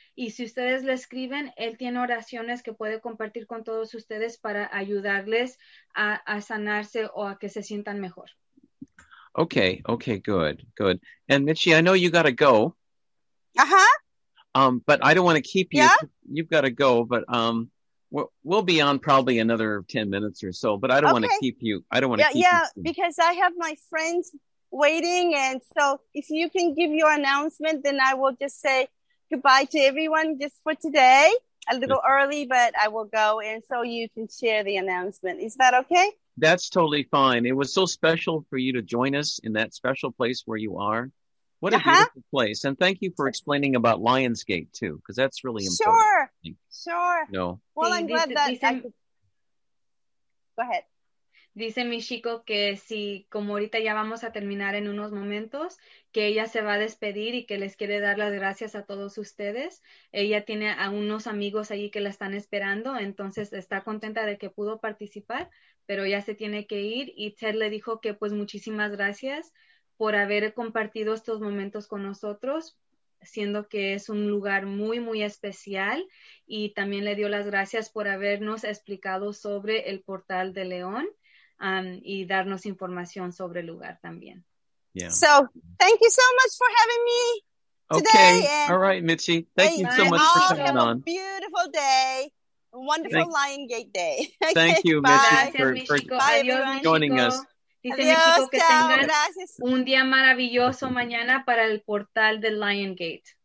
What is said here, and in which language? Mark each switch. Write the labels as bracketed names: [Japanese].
[Spanish] Y si ustedes le escriben, él tiene oraciones que puede compartir con todos ustedes para ayudarles a sanarse o a que se sientan mejor. [English] Okay, okay, good, good. And Michi, I know you got to go. Uh-huh. But I don't want to keep you. Yeah? You've got to go, but we'll be on probably another 10 minutes or so, but I don't okay. want to keep you. I don't want to yeah, keep yeah, you. Yeah, because I have my friends waiting, and so if you can give your announcement, then I will just say goodbye to everyone just for today. A little yes. early, but I will go, and so you can share the announcement. Is that okay? That's totally fine. It was so special for you to join us in that special place where you are. What a uh-huh. beautiful place. And thank you for explaining about Lionsgate, too, because that's really important. Sure, sure. No. Well, I'm glad that... Go ahead. [Spanish] Dice mi chico que si, como ahorita ya vamos a terminar en unos momentos, que ella se va a despedir y que les quiere dar las gracias a todos ustedes. Ella tiene a unos amigos ahí que la están esperando, entonces está contenta de que pudo participar, pero ya se tiene que ir. Y Ted le dijo que pues muchísimas gracias por haber compartido estos momentos con nosotros. siendo que es un lugar muy, muy especial. Y también le dio las gracias por habernos explicado sobre el Portal de León y darnos información sobre el lugar también. [English] Yeah. So, thank you so much for having me today. Okay. All right, Mitzi. Thank you so much for coming on. A beautiful day. A wonderful Lion Gate Day. Okay. Thank you, Mitzi, for joining us. [Spanish] Dice México que tengan un día maravilloso mañana para el portal de Lion Gate.